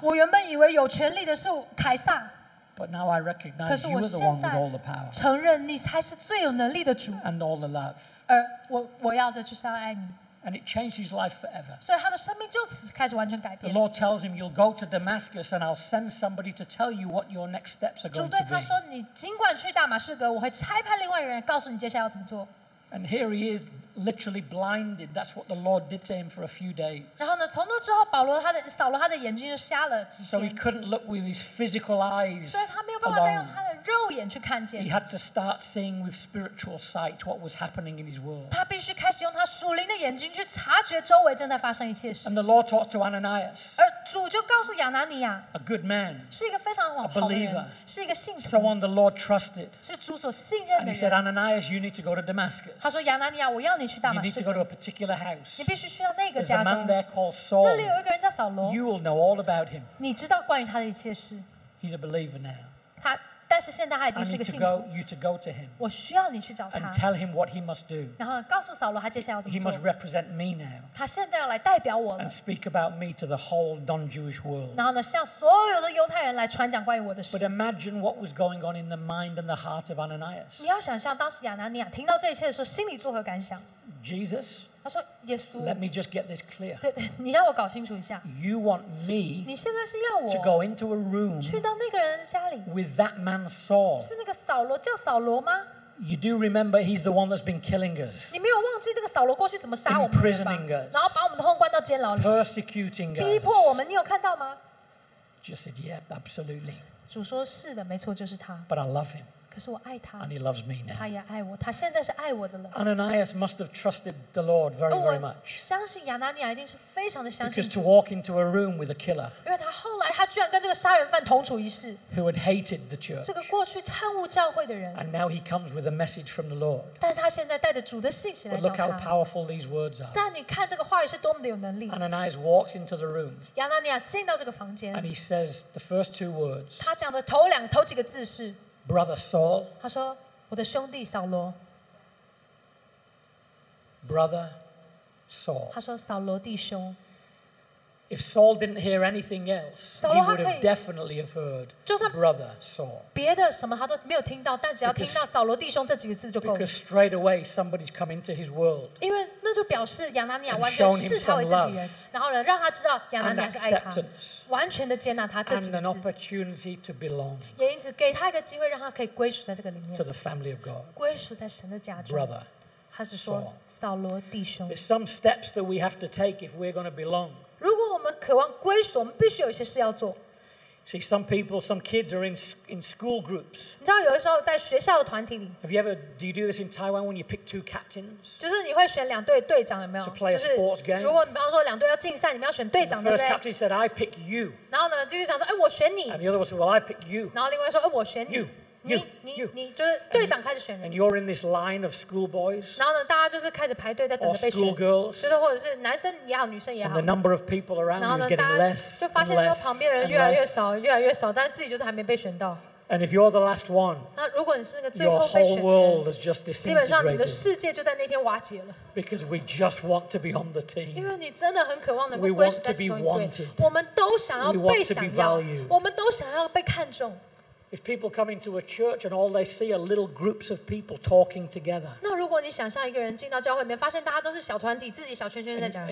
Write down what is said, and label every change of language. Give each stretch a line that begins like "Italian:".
Chinese: 我原本以为有权力的是凯撒。
English: But now I recognize you are the one with all the power.
Chinese: 承认你才是最有能力的主。
English: And all the love.
Chinese: 我要的就是要爱你。
English: And it changed his life forever.
Chinese: 所以他的生命就此开始完全改变。
English: The Lord tells him, "You'll go to Damascus, and I'll send somebody to tell you what your next steps are going to be."
Chinese: 主对他说，你尽管去大马士革，我会差派另外一个人告诉你接下来要怎么做。
English: And here he is, literally blinded. That's what the Lord did to him for a few days.
Chinese: 然后呢，从那之后，保罗扫罗他的眼睛就瞎了几天。
English: So he couldn't look with his physical eyes.
Chinese: 所以他没有办法再用他的肉眼去看见。
English: He had to start seeing with spiritual sight what was happening in his world.
Chinese: 他必须开始用他属灵的眼睛去察觉周围正在发生一切事。
English: And the Lord talked to Ananias.
Chinese: 而主就告诉亚拿尼亚。
English: A good man.
Chinese: 是一个非常好的人。
English: A believer.
Chinese: 是一个信徒。
English: Someone the Lord trusted.
Chinese: 是主所信任的人。
English: And he said, Ananias, you need to go to Damascus.
Chinese: 他说：“亚拿尼亚，我要你去大马士革。
English: You need to go to a particular house.
Chinese: 你必须去到那个家中。
English: There's a man there called Saul.
Chinese: 那里有一个人叫扫罗。
English: You will know all about him.
Chinese: 你知道关于他的一切事。
English: He's a believer now.
Chinese: 但是现在他已经是一个信徒。
English: I need to go, you to go to him.
Chinese: 我需要你去找他。
English: And tell him what he must do.
Chinese: 然后告诉扫罗他接下来要怎么做。
English: He must represent me now.
Chinese: 他现在要来代表我了。
English: And speak about me to the whole non-Jewish world.
Chinese: 然后呢，向所有的犹太人来传讲关于我的事。
English: But imagine what was going on in the mind and the heart of Ananias.
Chinese: 你要想象当时亚拿尼亚听到这一切的时候，心里作何感想
English: ？Jesus.
Chinese: 他说：“耶稣。
English: Let me just get this clear.
Chinese: 你让我搞清楚一下。
English: You want me?
Chinese: 你现在是要我
English: to go into a room
Chinese: 去到那个人家里
English: with that man.” Saul.
Chinese: 是那个扫罗叫扫罗吗？
English: You do remember he's the one that's been killing us.
Chinese: 你没有忘记这个扫罗过去怎么杀我们吧？
English: Imprisoning us.
Chinese: 然后把我们通关到监牢里。
English: Persecuting us.
Chinese: 逼迫我们，你有看到吗？
English: Just said, yeah, absolutely.
Chinese: 主说是的，没错，就是他。
English: But I love him.
Chinese: 可是我爱他。
English: And he loves me now.
Chinese: 他也爱我，他现在是爱我的了。
English: Ananias must have trusted the Lord very, very much.
Chinese: 我相信亚拿尼亚一定是非常的相信。
English: Because to walk into a room with a killer.
Chinese: 因为他后来他居然跟这个杀人犯同处一室。
English: Who had hated the church.
Chinese: 这个过去恨恶教会的人。
English: And now he comes with a message from the Lord.
Chinese: 但他现在带着主的信息来找他。
English: But look how powerful these words are.
Chinese: 但你看这个话语是多么的有能力。
English: Ananias walks into the room.
Chinese: 亚拿尼亚进到这个房间。
English: And he says the first two words.
Chinese: 他讲的头几个字是。
English: Brother Saul.
Chinese: 他说，我的兄弟扫罗。
English: Brother Saul.
Chinese: 他说，扫罗弟兄。
English: If Saul didn't hear anything else, he would have definitely have heard brother Saul.
Chinese: 别的什么他都没有听到，但只要听到扫罗弟兄这几个字就够了。
English: Because straight away somebody's come into his world.
Chinese: 因为那就表示亚拿尼亚完全视他为自己人，然后呢，让他知道亚拿尼亚是爱他，完全的接纳他这几个字。
English: And an opportunity to belong.
Chinese: 也因此给他一个机会，让他可以归属在这个里面。
English: To the family of God.
Chinese: 归属在神的家中。
English: Brother.
Chinese: 他是说扫罗弟兄。
English: There's some steps that we have to take if we're going to belong.
Chinese: 如果我们渴望归属，我们必须有一些事要做。
English: See, some people, some kids are in school groups.
Chinese: 你知道有的时候在学校的团体里。
English: Have you ever do you do this in Taiwan when you pick two captains?
Chinese: 就是你会选两队队长有没有
English: ？To play a sports game.
Chinese: 如果比方说两队要竞赛，你们要选队长，对不对
English: ？First captain said, "I pick you."
Chinese: 然后呢，继续讲说，哎，我选你。
English: And the other one said, "Well, I pick you."
Chinese: 然后另外说，哎，我选你。
English: You.
Chinese: 你就是队长开始选人。
English: And you're in this line of school boys.
Chinese: 然后呢，大家就是开始排队在等着被选。
English: Or school girls.
Chinese: 就是或者是男生也好，女生也好。
English: And the number of people around you is getting less.
Chinese: 就发现说旁边人越来越少，越来越少，但自己就是还没被选到。
English: And if you're the last one, your whole world has just disintegrated.
Chinese: 基本上你的世界就在那天瓦解了。
English: Because we just want to be on the team.
Chinese: 因为你真的很渴望能够归属在其中一队。我们都想要被想要。
English: We want to be valued.
Chinese: 我们都想要被看重。
English: If people come into a church and all they see are little groups of people talking together,
Chinese: 那如果你想象一个人进到教会里面，发现大家都是小团体，自己小圈圈在讲话。